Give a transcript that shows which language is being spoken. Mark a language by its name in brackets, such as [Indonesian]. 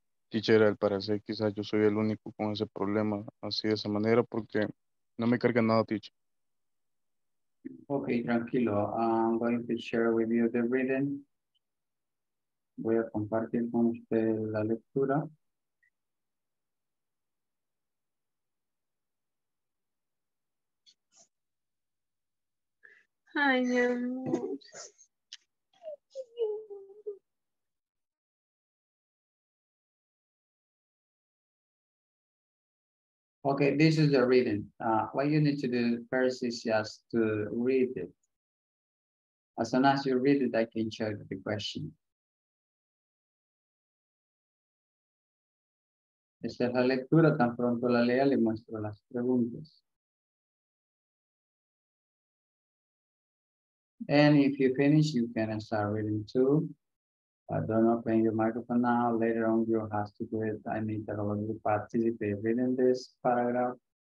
[Spanish] Teacher, al parecer quizás yo soy el único con ese problema, así de esa manera, porque no me carga nada, teacher. Okay, tranquilo. [English] I'm going to share with you the reading. [Spanish] Voy a compartir con usted la lectura. Ay, mi amor. [English] Okay, this is the reading. What you need to do first is just to read it. As soon as you read it, I can check the question. [Spanish] Esta es la lectura. Tan pronto la lea, le muestro las preguntas. [English] And if you finish, you can start reading too. But don't open your microphone now. Later on, you have to do it. I need that all of you participate reading this paragraph.